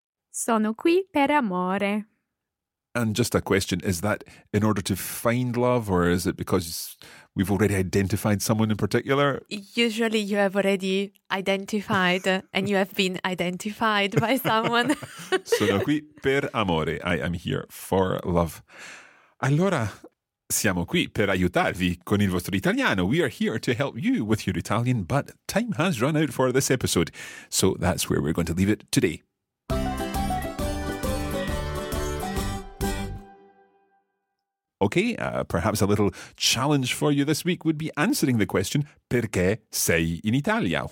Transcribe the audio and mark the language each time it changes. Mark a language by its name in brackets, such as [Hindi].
[Italian] Sono qui per amore. [English] And just a question, is that in order to find love or is it because we've already identified someone in particular? Usually you have already identified and you have been identified by someone. [Italian] Sono qui per amore. [English] I am here for love. [Italian] Allora, siamo qui per aiutarvi con il vostro italiano. [English] We are here to help you with your Italian, but time has run out for this episode. So that's where we're going to leave it today. Okay, perhaps a little challenge for you this week would be answering the question, [Italian] perché sei in Italia?